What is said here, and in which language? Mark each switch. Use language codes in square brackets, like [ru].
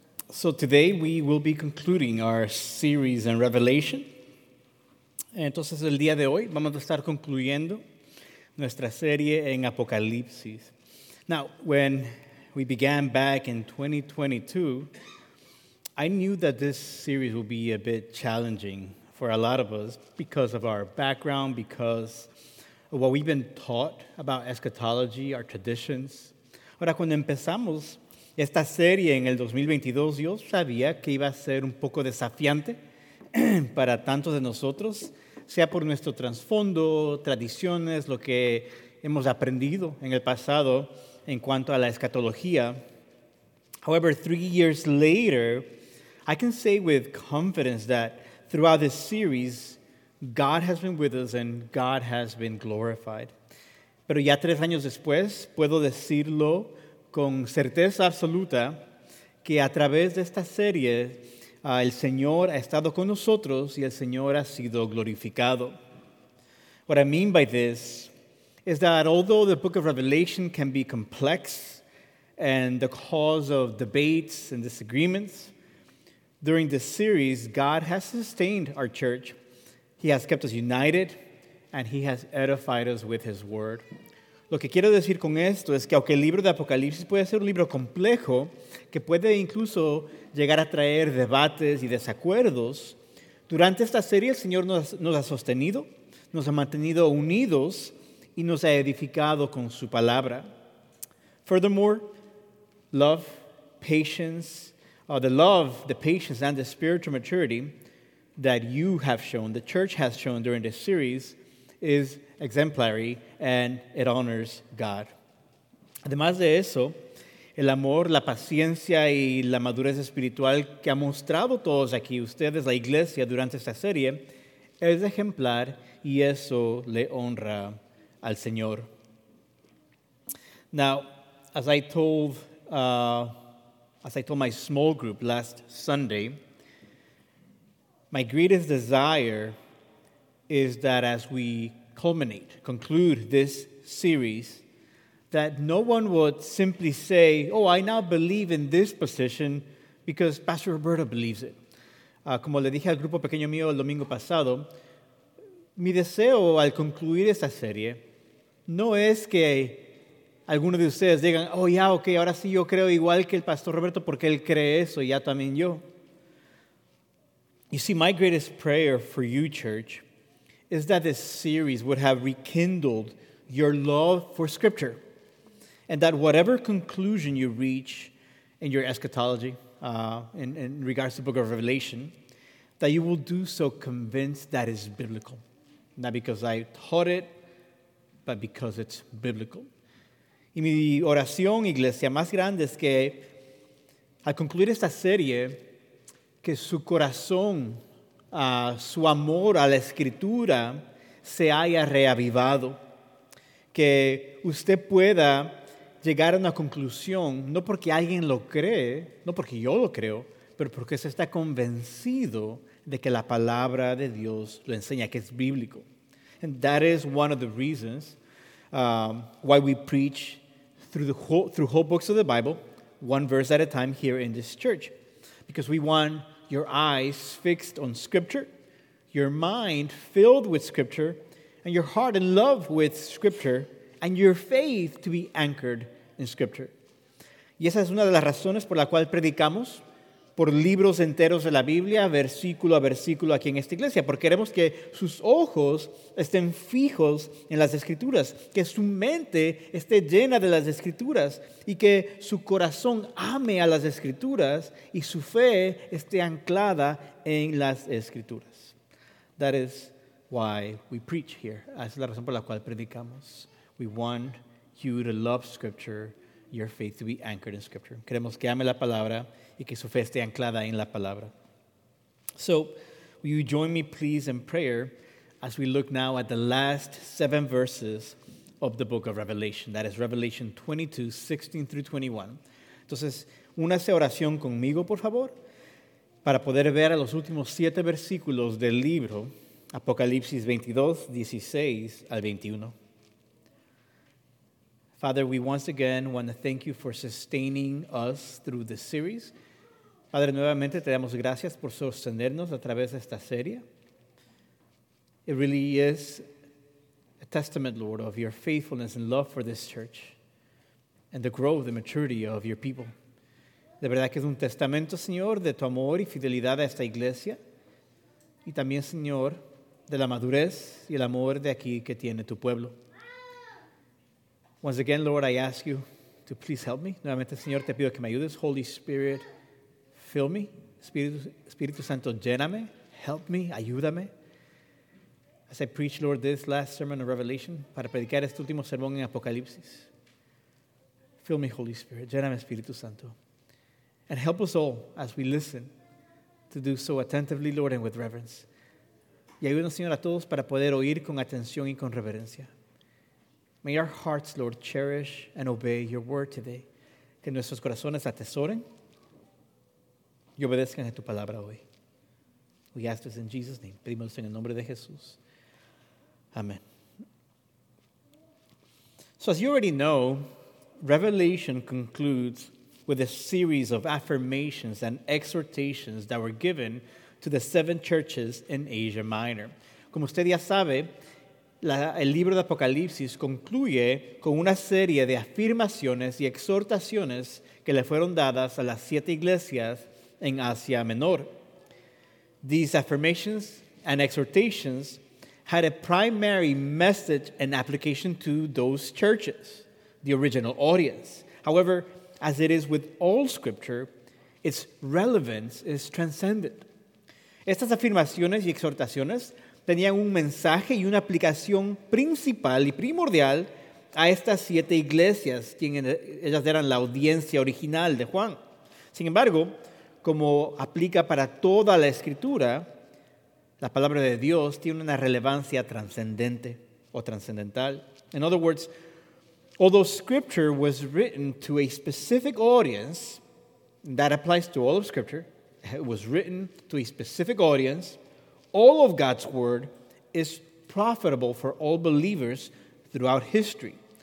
[en] So today we will be concluding our series in Revelation. [es] Entonces el día de hoy vamos a estar concluyendo nuestra serie en Apocalipsis. [en] Now, when we began back in 2022, I knew that this series would be a bit challenging for a lot of us because of our background, because of what we've been taught about eschatology, our traditions. [es] Ahora, cuando empezamos esta serie en el 2022, yo sabía que iba a ser un poco desafiante para tantos de nosotros, sea por nuestro trasfondo, tradiciones, lo que hemos aprendido en el pasado en cuanto a la escatología. [en] However, 3 years later, I can say with confidence that throughout this series, God has been with us and God has been glorified. [es] Pero ya 3 años después, puedo decirlo con certeza absoluta que a través de esta serie el Señor ha estado con nosotros y el Señor ha sido glorificado. [en] What I mean by this is that although the book of Revelation can be complex and the cause of debates and disagreements, during this series, God has sustained our church. He has kept us united and he has edified us with his word. [es] Lo que quiero decir con esto es que aunque el libro de Apocalipsis puede ser un libro complejo, que puede incluso llegar a traer debates y desacuerdos, durante esta serie el Señor nos ha sostenido, nos ha mantenido unidos y nos ha edificado con su palabra. [en] Furthermore, love, patience, the patience and the spiritual maturity that you have shown, the church has shown during this series, is exemplary and it honors God. [es] Además de eso, el amor, la paciencia y la madurez espiritual que ha mostrado todos aquí ustedes, la iglesia, durante esta serie, es ejemplar y eso le honra al Señor. [en] Now, as I told my small group last Sunday, my greatest desire is that as we conclude this series, that no one would simply say, oh, I now believe in this position because Pastor Roberto believes it. [es] Como le dije al grupo pequeño mío el domingo pasado, mi deseo al concluir esta serie no es que algunos de ustedes digan, oh, ya, yeah, ok, ahora sí yo creo igual que el Pastor Roberto porque él cree eso, ya también yo. [en] You see, my greatest prayer for you, church, is that this series would have rekindled your love for Scripture, and that whatever conclusion you reach in your eschatology, in regards to the book of Revelation, that you will do so convinced that is biblical. Not because I taught it, but because it's biblical. [es] Y mi oración, iglesia, más grande es que al concluir esta serie, que su corazón, su amor a la Escritura se haya reavivado. Que usted pueda llegar a una conclusión, no porque alguien lo cree, no porque yo lo creo, pero porque se está convencido de que la palabra de Dios lo enseña, que es bíblico. [en] And that is one of the reasons why we preach through whole books of the Bible, one verse at a time here in this church. Because we want your eyes fixed on Scripture, your mind filled with Scripture, and your heart in love with Scripture, and your faith to be anchored in Scripture. [es] Y esa es una de las razones por la cual predicamos por libros enteros de la Biblia, versículo a versículo aquí en esta iglesia, porque queremos que sus ojos estén fijos en las Escrituras, que su mente esté llena de las Escrituras, y que su corazón ame a las Escrituras, y su fe esté anclada en las Escrituras. [en] That is why we preach here. [es] Esa es la razón por la cual predicamos. [en] We want you to love Scripture, your faith to be anchored in Scripture. [es] Queremos que ame la Palabra, y que su fe esté anclada en la palabra. [en] So, will you join me please in prayer as we look now at the last 7 verses of the book of Revelation. That is Revelation 22, 16 through 21. [es] Entonces, únase a oración conmigo, por favor, para poder ver a los últimos 7 versículos del libro, Apocalipsis 22, 16 al 21. [en] Father, we once again want to thank you for sustaining us through this series. [es] Padre, nuevamente te damos gracias por sostenernos a través de esta serie. [en] It really is a testament, Lord, of your faithfulness and love for this church and the growth and maturity of your people. [es] De verdad que es un testamento, Señor, de tu amor y fidelidad a esta iglesia y también, Señor, de la madurez y el amor de aquí que tiene tu pueblo. [en] Once again, Lord, I ask you to please help me. [es] Nuevamente, Señor, te pido que me ayudes. [en] Holy Spirit, fill me. [es] Espíritu Santo, lléname. [en] Help me. [es] Ayúdame. [en] As I preach, Lord, this last sermon of Revelation, [es] para predicar este último sermón en Apocalipsis. [en] Fill me, Holy Spirit. [es] Lléname, Espíritu Santo. [en] And help us all as we listen to do so attentively, Lord, and with reverence. [es] Y ayúdanos, Señor, a todos para poder oír con atención y con reverencia. [en] May our hearts, Lord, cherish and obey your word today. [es] Que nuestros corazones atesoren y obedezcan a tu palabra hoy. [en] We ask this in Jesus' name. [es] Pedimos en el nombre de Jesús. [en] Amen. So as you already know, Revelation concludes with a series of affirmations and exhortations that were given to the seven churches in Asia Minor. [es] Como usted ya sabe, el libro de Apocalipsis concluye con una serie de afirmaciones y exhortaciones que le fueron dadas a las siete iglesias en Asia Menor. [en] These affirmations and exhortations had a primary message and application to those churches, the original audience. However, as it is with all scripture, its relevance is transcended. [es] Estas afirmaciones y exhortaciones tenían un mensaje y una aplicación principal y primordial a estas siete iglesias, quienes ellas eran la audiencia original de Juan. Sin embargo, como aplica para toda la escritura, la palabra de Dios tiene una relevancia trascendente o trascendental. [en] In other words, although scripture was written to a specific audience, that applies to all of scripture, it was written to a specific audience, all of God's word is profitable for all believers throughout history.